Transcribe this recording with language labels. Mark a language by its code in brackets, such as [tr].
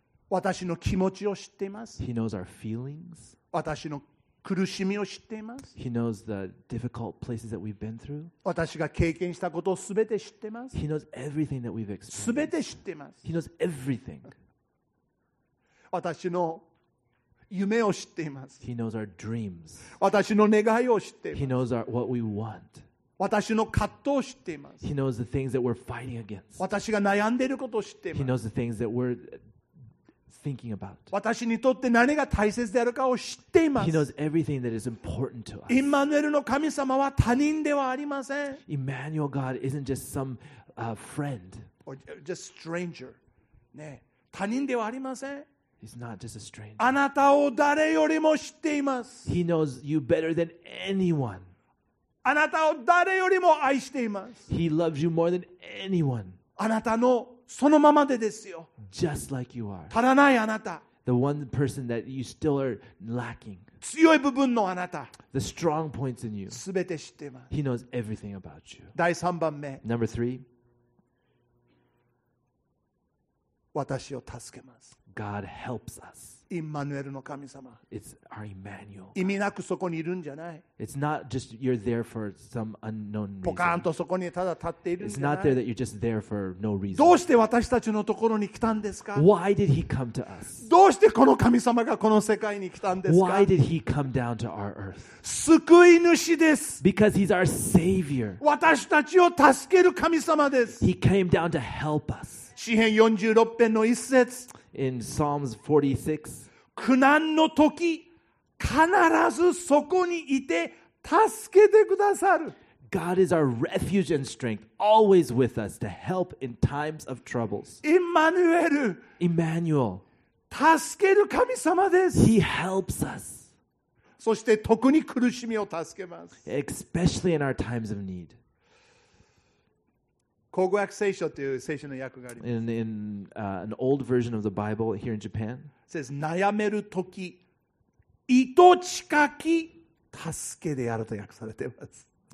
[ja] 私の気持ちを知っています。 [en] He knows our feelings. [ja] 私の苦しみを知っています。 [en] He knows the difficult places that we've been through. [ja] 私が経験したことをすべて知ってます。 [en] He knows everything that we've experienced. [ja] すべて知ってます。 [en] He knows everything. [ja] 私の夢を知っています。 [en] He knows our dreams. [ja] 私の願いを知っています。 [en] He knows our, what we want. [ja] 私の葛藤を知っています。 [en] He knows the things that we're fighting against. [ja] 私が悩んでいることを知っています。 [en] He knows the things that we're thinking about. [ja] 私にとって何が大切であるかを知っています。 [en] He knows everything that is important to us. [ja] イマヌエルの神様は他人ではありません。 [en] Emmanuel God isn't just some friend. Or just stranger. [ja] ね、他人ではありません。 [en] He's not just a stranger. [ja] あなたを誰よりも知っています。 [en] He knows you better than anyone. [ja] あなたを誰よりも愛しています。 [en] He loves you more than anyone. [ja] あなたのそのままでですよ。 [en] Just like you are. [ja] 足らないあなた。 [en] The one person that you still are lacking. [ja] 強い部分のあなた。 [en] The strong points in you. [ja] すべて知っています。 [en] He knows everything about you. [ja] 第3番目。 [en] Number three. [ja] 私を助けます。 [en] God helps us. [ja] イマヌエルの神様。 [en] It's our Emmanuel. [ja] 意味なくそこにいるんじゃない。 [en] It's not just you're there for some unknown reason. [ja] ポカーンとそこにただ立っているんじゃない。 [en] It's not there that you're just there for no reason. [ja] どうして私たちのところに来たんですか。 [en] Why did he come to us? [ja] どうしてこの神様がこの世界に来たんですか。 [en] Why did he come down to our earth? [ja] 救い主です。 [en] Because he's our savior. [ja] 私たちを助ける神様です。 [en] He came down to help us. [ja] 詩編46編の一節。 [en] In Psalms 46, [ja] 苦難の時、必ずそこにいて助けてくださる。 [en] God is our refuge and strength, always with us to help in times of troubles. [ja] Emmanuel, 助ける神様です。 [en] He helps us. [ja] そして特に苦しみを助けます。 [en] Especially in our times of need. [ja] 口語訳聖書という聖書の訳があります。 [en] In an old version of the Bible here in Japan, it says [ja] 悩める時、糸近き助けであると訳されています。